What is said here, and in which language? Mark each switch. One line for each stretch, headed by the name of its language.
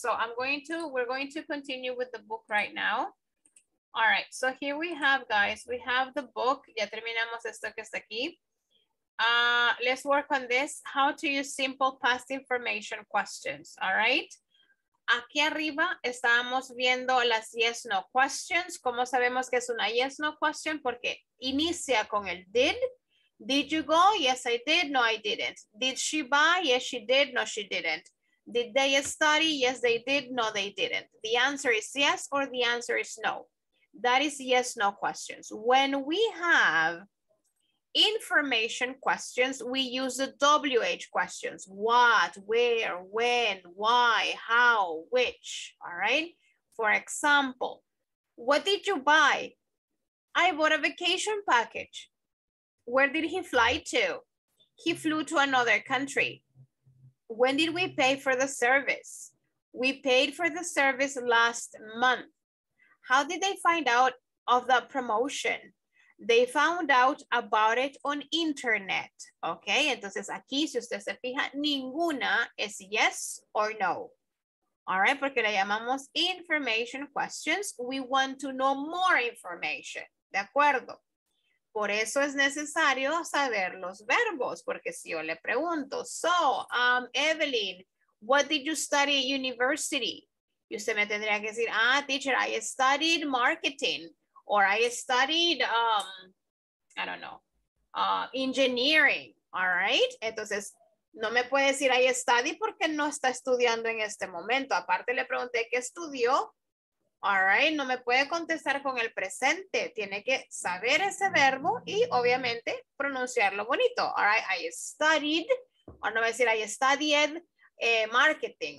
English: So we're going to continue with the book right now. All right, so here we have, guys, we have the book.
Spanish: Ya terminamos esto que está aquí.
English: Let's work on this. How to use simple past information questions, all right?
Spanish: Aquí arriba estábamos viendo las
English: yes, no questions.
Spanish: ¿Cómo sabemos que es una
English: yes, no question?
Spanish: Porque inicia con el
English: did. Did you go? Yes, I did. No, I didn't. Did she buy? Yes, she did. No, she didn't. Did they study? Yes, they did. No, they didn't. The answer is yes or the answer is no. That is yes, no questions. When we have information questions, we use the WH questions. What, where, when, why, how, which, all right? For example, what did you buy? I bought a vacation package. Where did he fly to? He flew to another country. When did we pay for the service? We paid for the service last month. How did they find out of the promotion? They found out about it on internet.
Spanish: Okay, entonces aquí, si usted se fija, ninguna es
English: yes or no. All right,
Spanish: porque le llamamos
English: information questions. We want to know more information.
Spanish: De acuerdo. Por eso es necesario saber los verbos, porque si yo le pregunto,
English: so, Evelyn, what did you study at university?
Spanish: Y usted me tendría que decir, ah,
English: teacher, I studied marketing, or I studied, I don't know, engineering, all right?
Spanish: Entonces, no me puede decir
English: I studied
Spanish: porque no está estudiando en este momento. Aparte, le pregunté qué estudió.
English: All right,
Spanish: no me puede contestar con el presente. Tiene que saber ese verbo y obviamente pronunciarlo bonito.
English: All right, I studied,
Spanish: o no va a decir
English: I studied marketing.